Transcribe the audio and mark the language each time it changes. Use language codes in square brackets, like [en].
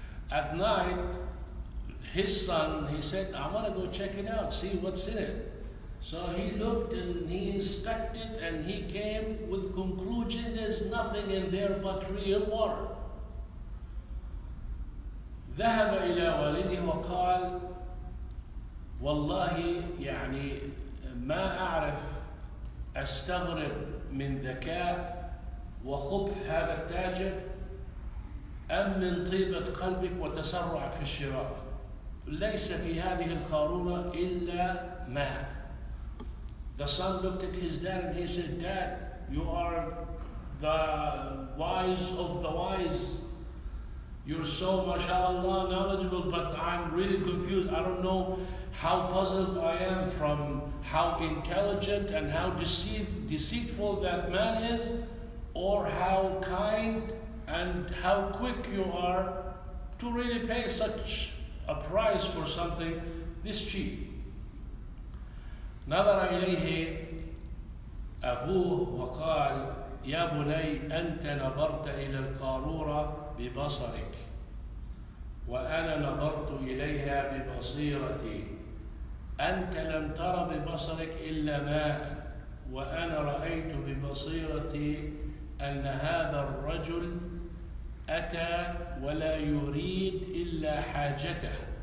[en] At night, his son, he said, I want to go check it out, see what's in it. So he looked and he inspected and he came with conclusion there's nothing in there but real water. [ar] ذهب إلى والده وقال والله يعني ما أعرف أستغرب من ذكاء وخبث هذا التاجر أم من طيبة قلبك وتسرعك في الشراء. ليس في هذه القارورة إلا ماء. [en] The son looked at his dad and he said, Dad, you are the wise of the wise. You're so, mashallah, knowledgeable, but I'm really confused. I don't know how puzzled I am from how intelligent and how deceitful that man is, or how kind and how quick you are to really pay such a price for something this cheap. [ar] نظر إليه أبوه وقال يا بني أنت نظرت إلى القارورة ببصرك وأنا نظرت إليها ببصيرتي. أنت لم تر ببصرك إلا ماء وأنا رأيت ببصيرتي أن هذا الرجل أتى ولا يريد إلا حاجته.